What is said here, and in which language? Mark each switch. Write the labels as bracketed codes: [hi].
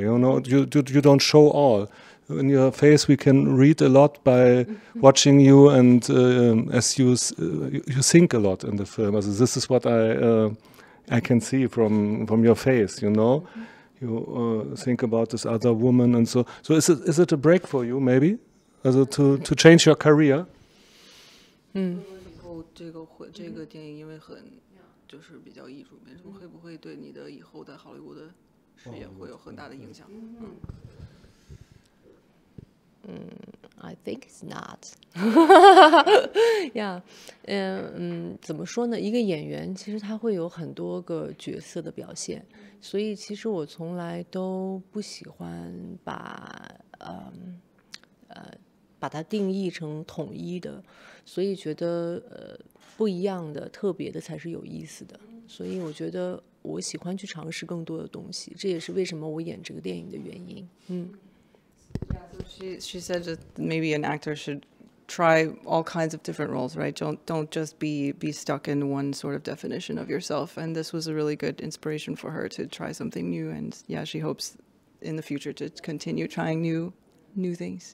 [en] You know, you don't show all. In your face we can read a lot by watching you, and as you think a lot in the film. So this is what I can see from your face, you know. You think about this other woman, and so is it a break for you, maybe, also to change your career? [zh] 这个电影因为很就是比较艺术，没错，会不会对你的以后的好莱坞的事业会有很大的影响？ [en] I think it's not. yeah. [zh] 怎么说呢？一个演员其实他会有很多个角色的表现，所以其实我从来都不喜欢把它定义成统一的，所以觉得不一样的、特别的才是有意思的。所以我觉得我喜欢去尝试更多的东西，这也是为什么我演这个电影的原因。 [en] Yeah, so she said that maybe an actor should try all kinds of different roles, right? Don't just be stuck in one sort of definition of yourself. And this was a really good inspiration for her to try something new. And yeah, she hopes in the future to continue trying new things.